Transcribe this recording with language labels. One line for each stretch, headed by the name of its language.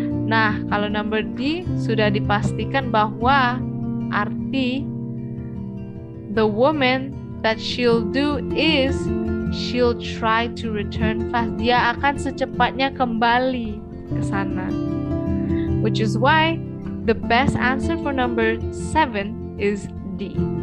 Indonesian: Nah, kalau number D sudah dipastikan bahwa arti
English: the woman that she'll do is she'll try to return fast.
Indonesian: Dia akan secepatnya kembali ke sana.
English: Which is why the best answer for number 7 is D.